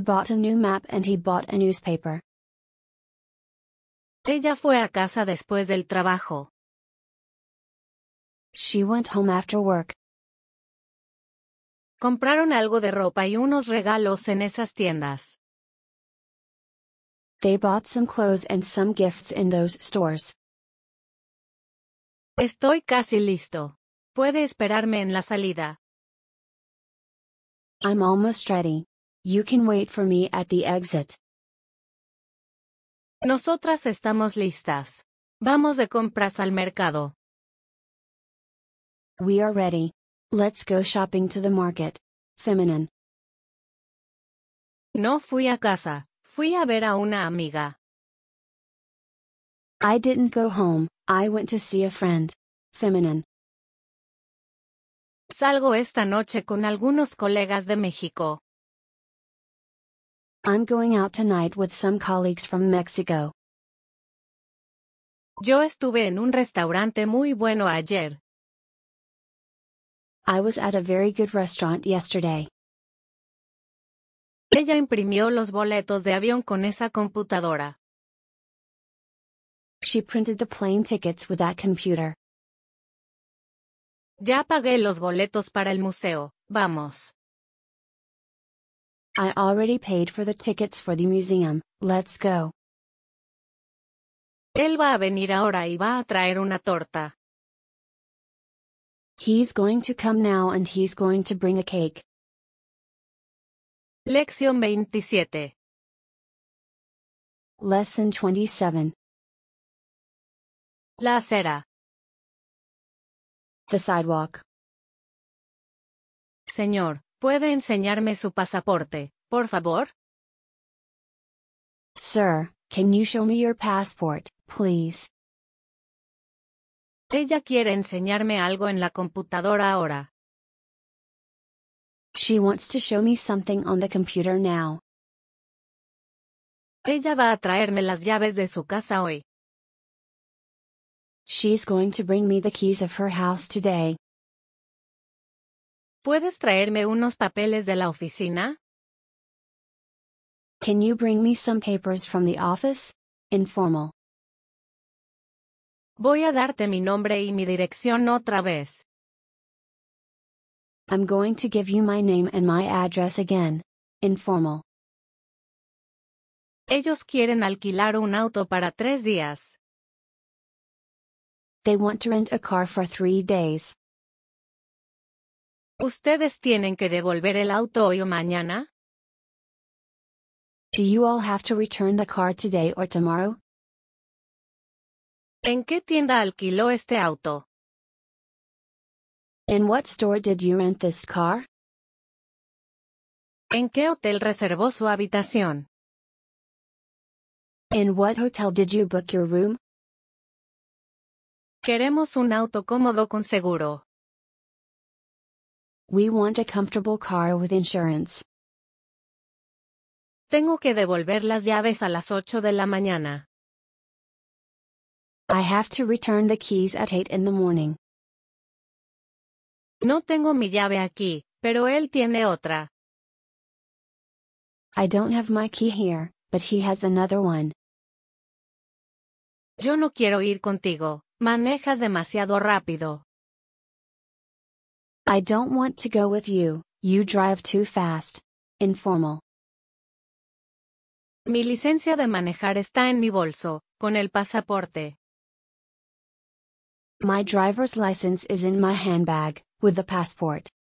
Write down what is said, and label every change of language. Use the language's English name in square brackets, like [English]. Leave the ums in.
[English] bought a new map and he bought a newspaper. She went home after work. She went home after work. [Spanish] Compraron algo de ropa y unos regalos en esas tiendas. [English] They bought some clothes and some gifts in those stores. [Spanish] Estoy casi listo. Puede esperarme en la salida. [English] I'm almost ready. You can wait for me at the exit. [Spanish] Nosotras estamos listas. Vamos de compras al mercado. [English] We are ready. Let's go shopping to the market. Feminine. [Spanish] No fui a casa, fui a ver a una amiga. [English] I didn't go home, I went to see a friend. Feminine. [Spanish] Salgo esta noche con algunos colegas de México. [English] I'm going out tonight with some colleagues from Mexico. [Spanish] Yo estuve en un restaurante muy bueno ayer, [English] I was at a very good restaurant yesterday. [Spanish] Ella imprimió los boletos de avión con esa computadora. [English] She printed the plane tickets with that computer. [Spanish] Ya pagué los boletos para el museo. Vamos. [English] I already paid for the tickets for the museum. Let's go. [Spanish] Él va a venir ahora y va a traer una torta. [English] He's going to come now and he's going to bring a cake. [Spanish] Lección 27 [English] Lesson 27 [Spanish] La acera [English] The sidewalk [Spanish] Señor, ¿puede enseñarme su pasaporte, por favor? [English] Sir, can you show me your passport, please? [Spanish] Ella quiere enseñarme algo en la computadora ahora. [English] She wants to show me something on the computer now. [Spanish] Ella va a traerme las llaves de su casa hoy. [English] She's going to bring me the keys of her house today. [Spanish] ¿Puedes traerme unos papeles de la oficina? [English] Can you bring me some papers from the office? Informal. [Spanish] Voy a darte mi nombre y mi dirección otra vez. [English] I'm going to give you my name and my address again. Informal. [Spanish] Ellos quieren alquilar un auto para tres días. [English] They want to rent a car for three days. [Spanish] Ustedes tienen que devolver el auto hoy o mañana? [English] Do you all have to return the car today or tomorrow? [Spanish] ¿En qué tienda alquiló este auto? [English] In what store did you rent this car? [Spanish] ¿En qué hotel reservó su habitación? [English] In what hotel did you book your room? [Spanish] Queremos un auto cómodo con seguro. [English] We want a comfortable car with insurance. [Spanish] Tengo que devolver las llaves a las 8 de la mañana. [English] I have to return the keys at 8 in the morning. [Spanish] No tengo mi llave aquí, pero él tiene otra. [English] I don't have my key here, but he has another one. [Spanish] Yo no quiero ir contigo. Manejas demasiado rápido. [English] I don't want to go with you. You drive too fast. Informal. [Spanish] Mi licencia de manejar está en mi bolso, con el pasaporte. [English] My driver's license is in my handbag, with the passport.